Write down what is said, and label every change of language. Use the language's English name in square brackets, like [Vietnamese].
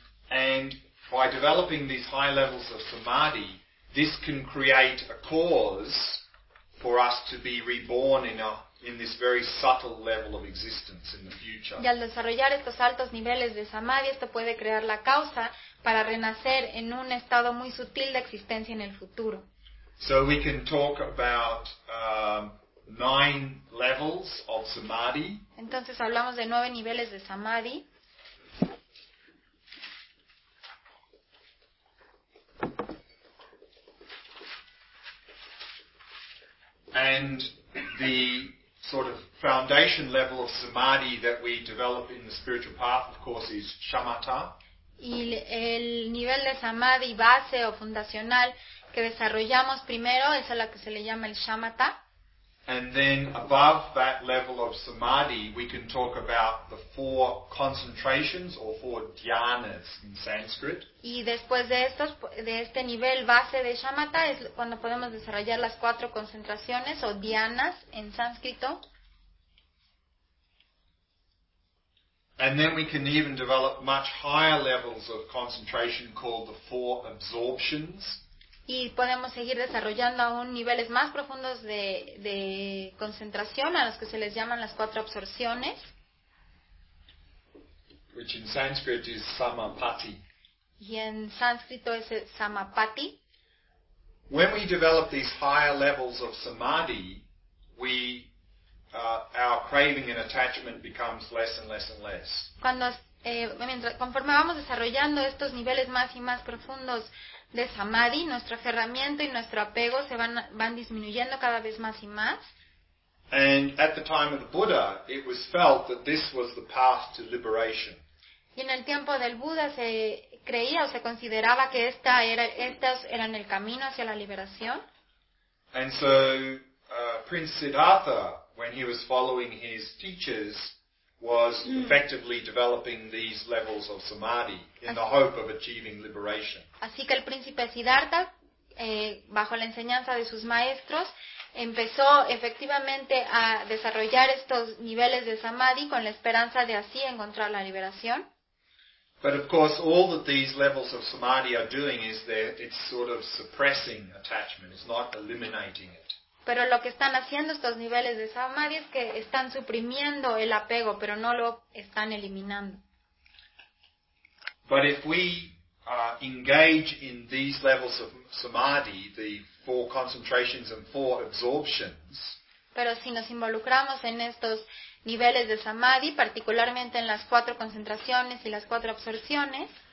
[English] And by developing these high levels of samadhi, this can create a cause for us to be reborn in this very subtle level of existence in the future. [Spanish] Y al desarrollar estos altos niveles de samadhi, esto puede crear la causa para renacer en un estado muy sutil de existencia en el futuro. [English] So we can talk about 9 levels of samadhi. [Spanish] Entonces hablamos de 9 niveles de samadhi. [English] And the sort of foundation level of samadhi that we develop in the spiritual path, of course, is shamatha. [Spanish] Y el nivel de samadhi base o fundacional que desarrollamos primero es a lo que se le llama el shamatha. [English] And then above that level of samadhi, we can talk about the 4 concentrations or 4 dhyanas in Sanskrit. [Spanish] Y después de este nivel base de shamatha es cuando podemos desarrollar las 4 concentraciones o dhyanas en sánscrito. [English] And then we can even develop much higher levels of concentration called the four absorptions. [Spanish] Y podemos seguir desarrollando aún niveles más profundos de concentración a los que se les llaman las cuatro absorciones. [English] Which in Sanskrit is samapatti. [Spanish] Y en sánscrito es samapatti. [English] When we develop these higher levels of samadhi, our craving and attachment becomes less and less and less. [Spanish] Cuando conforme vamos desarrollando estos niveles más y más profundos de samadhi, nuestro aferramiento y nuestro apego se van disminuyendo cada vez más y más. [English] And at the time of the Buddha, it was felt that this was the path to liberation. [Spanish] Y en el tiempo del Buda se creía o se consideraba que estas eran el camino hacia la liberación. [English] And so Prince Siddhartha, when he was following his teachers, was effectively developing these levels of samadhi in the hope of achieving liberation. [Spanish] Así que el príncipe Siddhartha, bajo la enseñanza de sus maestros, empezó efectivamente a desarrollar estos niveles de samadhi con la esperanza de así encontrar la liberación. [English] But of course, all that these levels of samadhi are doing is that it's sort of suppressing attachment, it's not eliminating it. [Spanish] Pero lo que están haciendo estos niveles de samadhi es que están suprimiendo el apego, pero no lo están eliminando. [English] But if we engage in these levels of samadhi, the four concentrations and four absorptions, [Spanish] pero si nos involucramos en estos niveles de samadhi, particularmente en las cuatro concentraciones y las cuatro absorciones,